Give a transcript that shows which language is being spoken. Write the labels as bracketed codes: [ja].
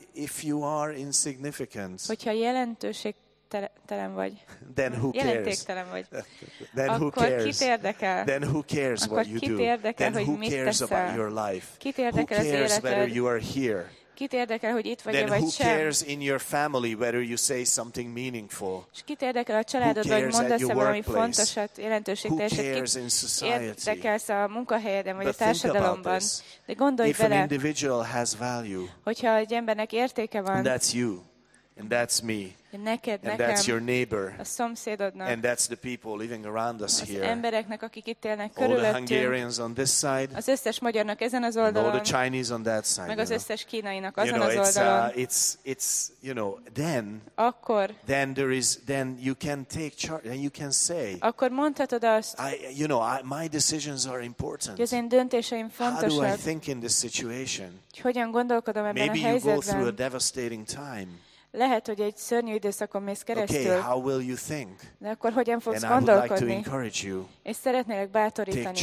[en] If you are insignificant, [hu] hogyha jelentőségtelen vagy, [en] then who cares? [hu] Jelentéktelen vagy. [en] Then who [hu] akkor [en] cares? [hu] Kit érdekel? [en] Then who cares [hu] akkor [en] what you [hu] kit [en] do? [hu] Érdekel, [en] then who cares [hu] teszel? [en] About your life? [hu] Kit érdekel [en] who cares [hu] az életed? [en] Whether you are here? [hu] Kit érdekel, hogy itt vagy [en] then [hu] e vagy [en] who [hu] sem? [en] Cares in your family whether you say something meaningful? [hu] És kit érdekel a családod, vagy mondasz valami fontosat, jelentőségteljeset? [en] Who cares in society? [hu] Érdekelsz a munkahelyeden vagy a társadalomban? De gondolj [en] if [hu] bele, [en] an individual has value, [hu] hogyha egy embernek értéke van, [en] and that's you, and that's me, [hu] neked, [en] and [hu] nekem, [en] that's your neighbor, [hu] a szomszédodnak, [en] and that's the people living around us [hu] az [en] here, [hu] embereknek, akik itt élnek körülöttünk, [en] all the Hungarians on this side, [hu] az összes magyarnak ezen az oldalon, [en] all the Chinese on that side, [hu] meg az összes kínainak azon [en] you know, [hu] az oldalon. [en] It's you know, then, [hu] akkor, [en] then there is, then you can take charge, then you can say, [hu] akkor mondhatod azt, [en] my decisions are important. [hu] Az én döntéseim fontosak. [en] How do I think in this situation? [hu] Hogyan gondolkodom ebben [en] maybe [hu] a helyzetben? [en] Maybe you go through a devastating time. [hu] Lehet, hogy egy szörnyű időszakon mész keresztül. [en] Okay, how will you think? [hu] De akkor hogyan fogsz [en] and [hu] gondolkodni? [en] Like to encourage you, [hu] és szeretnélek bátorítani.